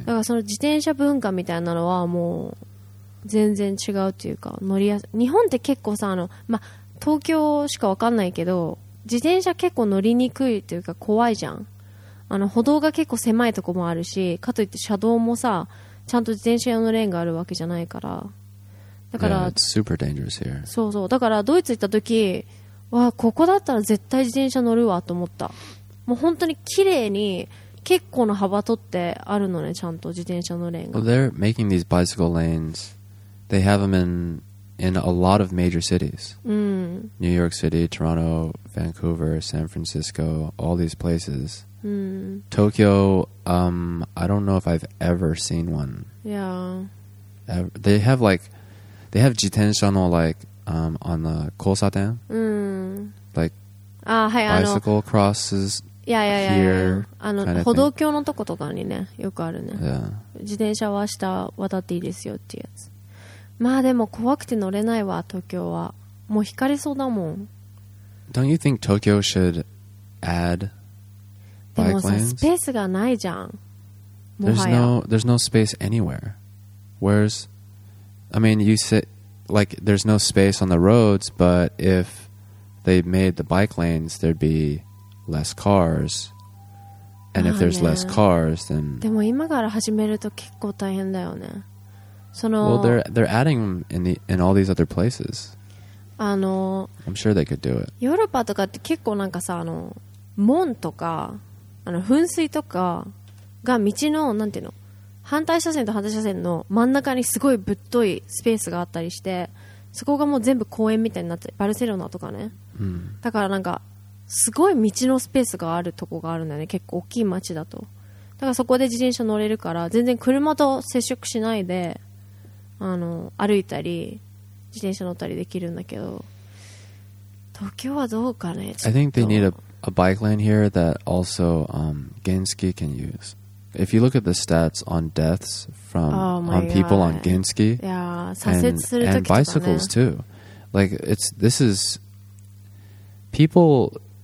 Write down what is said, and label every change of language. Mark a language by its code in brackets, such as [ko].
[ja] だからその自転車文化みたいなのはもう全然違うというか、乗りやす日本って結構さ、あの、ま、東京しか分かんないけど自転車結構乗りにくいというか怖いじゃん、あの歩道が結構狭いとこもあるし、かといって車道もさちゃんと自転車用のレーンがあるわけじゃないから、だから、 [en] yeah, it's super dangerous here. [ja] そうそう、だからドイツ行った時わここだったら絶対自転車乗るわと思った。もう本当に綺麗に結構の幅取ってあるのね、ちゃんと自転車のレーンが。 [en] Well, they're making these bicycle lanes. They have them in a lot of major cities. New York City, Toronto, Vancouver, San Francisco, all these places. Tokyo, I don't know if I've ever seen one. Yeah. They have [ja] 自転車の [en] like on the [ja] 交差点。 [en] Like bicycle crosses. [ja] 歩道橋のとことかにねよくあるね、 [en] yeah. [ja] 自転車は下渡っていいですよっていうやつ。まあでも怖くて乗れないわ東京は、もう引かれそうだもん。 [en] Don't you think Tokyo should add bike lanes? [ja] でもさスペースがないじゃん。 [en] There's no space anywhere. Where's I mean you sit like there's no space on the roads, but if they made the bike lanes there'd bebeless cars and if there's less cars then [ja] でも今から始めると結構大変だよね。その [en] Well they're adding them in all these other places. I'm sure they could do it. [ja] ヨーロッパとかって結構なんかさあの門とかあの噴水とかが道のなんていうの反対車線と反対車線の真ん中にすごいぶっといスペースがあったりして、そこがもう全部公園みたいになってバルセロナとかね、だからなんかすごい道のスペースがあるとこがあるんだよね、結構大きい街だと。だからそこで自転車乗れるから全然車と接触しないであの歩いたり自転車乗ったりできるんだけど、東京はどうかね。 [en] I think they need a bike lane here that also Genski can use. If you look at the stats on deaths from on people on Genski and bicycles too, like this is people.